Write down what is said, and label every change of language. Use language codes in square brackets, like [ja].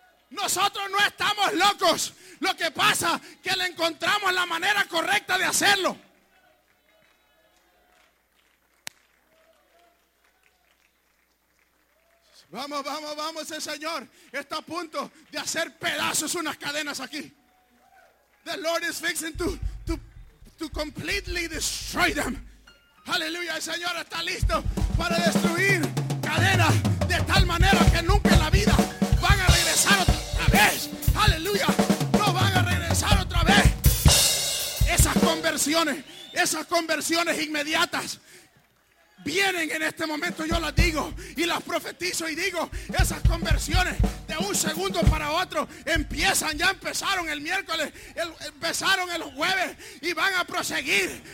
[es] Nosotros no estamos locos. Lo que pasa es que le encontramos la manera correcta de hacerlo. Vamos, vamos, vamos, el Señor está a punto de hacer pedazos unas cadenas aquí. [en] The Lord is fixing to completely destroy them. [es] Aleluya, el Señor está listo para destruir cadenas de tal manera que nunca en la vida van a regresar otra vez. Aleluya, no van a regresar otra vez. Esas conversiones inmediatas vienen en este momento, yo las digo y las profetizo y digo, esas conversiones de un segundo para otro empiezan, ya empezaron el miércoles, empezaron el jueves y van a proseguir.